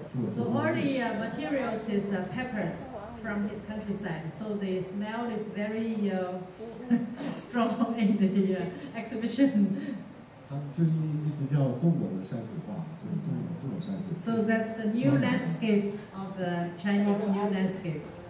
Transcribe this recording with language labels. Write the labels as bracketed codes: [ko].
[en] So all the materials is peppers from his countryside. So the smell is very strong in the exhibition. [zh] 就意思叫中国的山水画，就是中国山水。 [en] So that's the new landscape of the Chinese new landscape.